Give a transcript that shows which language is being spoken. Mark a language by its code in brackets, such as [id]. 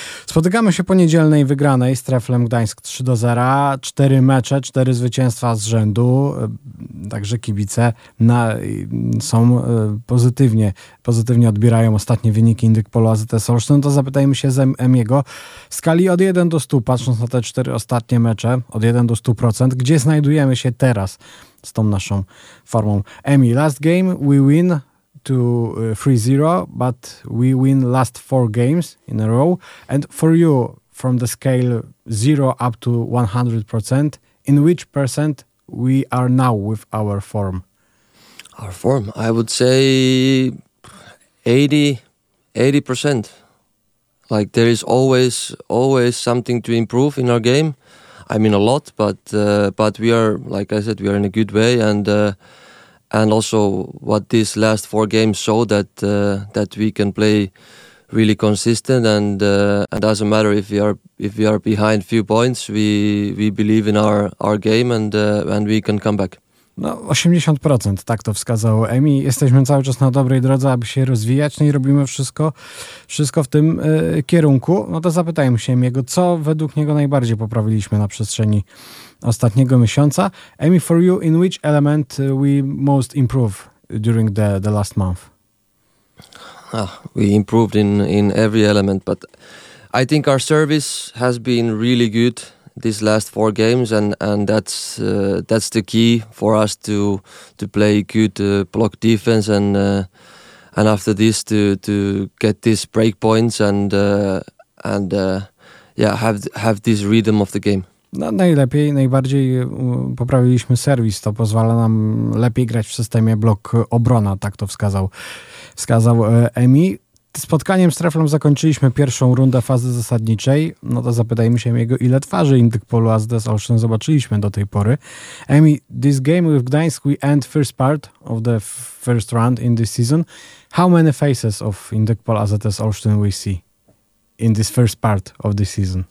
[pl] Spotykamy się po niedzielnej wygranej z Treflem Gdańsk 3-0, 4 mecze, 4 zwycięstwa z rzędu, także kibice są pozytywnie odbierają ostatnie wyniki Indyk Polo AZS Olsztyn. To zapytajmy się z Emiego w skali od 1 do 100, patrząc na te 4 ostatnie mecze, od 1 do 100%. Gdzie znajdujemy się teraz z tą naszą formą? [en] Emi, last game we win to 3-0, but we win last 4 games in a row. And for you, from the scale 0 up to 100%, in which percent we are now with our form? Our form? I would say 80%. Like, there is always something to improve in our game. I mean, a lot, but we are, like I said, we are in a good way, and also what these last 4 games show that we can play really consistent, and doesn't matter if we are behind few points, we believe in our game, and we can come back. [pl] No, 80%, tak to wskazał Emi. Jesteśmy cały czas na dobrej drodze, aby się rozwijać, no i robimy wszystko w tym kierunku. No to zapytajmy się Emiego, co według niego najbardziej poprawiliśmy na przestrzeni ostatniego miesiąca. [en] Emi, for you, in which element we most improve during the last month? We improved in every element, but I think our service has been really good these last 4 games, and that's the key for us to play good block defense, and after this to get these break points and have this rhythm of the game. [pl] No, najbardziej poprawiliśmy serwis, to pozwala nam lepiej grać w systemie blok obrona, tak to wskazał Emi. Spotkaniem z Treflem zakończyliśmy pierwszą rundę fazy zasadniczej. No to zapytajmy się jego, ile twarzy Indyk Polo AZS Olsztyn zobaczyliśmy do tej pory. [en] Emi, this game with Gdańsk, we end first part of the first round in this season. How many faces of Indyk Polo AZS Olsztyn we see in this first part of the season?